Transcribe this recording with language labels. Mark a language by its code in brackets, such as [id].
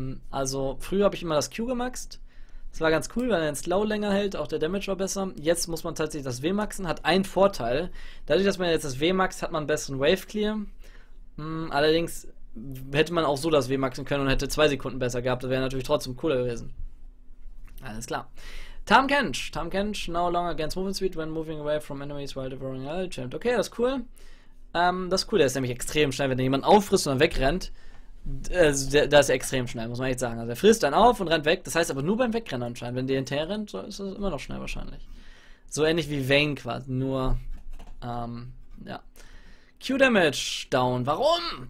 [de] Also früher habe ich immer das Q gemaxt. Das war ganz cool, weil er den Slow länger hält, auch der Damage war besser. Jetzt muss man tatsächlich das W maxen, hat einen Vorteil. Dadurch, dass man jetzt das W maxt, hat man einen besseren Wave Clear. Allerdings hätte man auch so das W maxen können und hätte 2 Sekunden besser gehabt, das wäre natürlich trotzdem cooler gewesen. Alles klar. [en] Tahm Kench, no longer against movement speed when moving away from enemies while devouring all champ. [de] Okay, das ist cool. Das ist cool, der ist nämlich extrem schnell, wenn er jemanden auffrisst und dann wegrennt. Das ist extrem schnell, muss man echt sagen. Also er frisst dann auf und rennt weg. Das heißt aber nur beim Wegrennen anscheinend. Wenn der hinterher rennt, so ist das immer noch schnell wahrscheinlich. So ähnlich wie Vayne quasi, nur. Ja. Q-Damage down. Warum?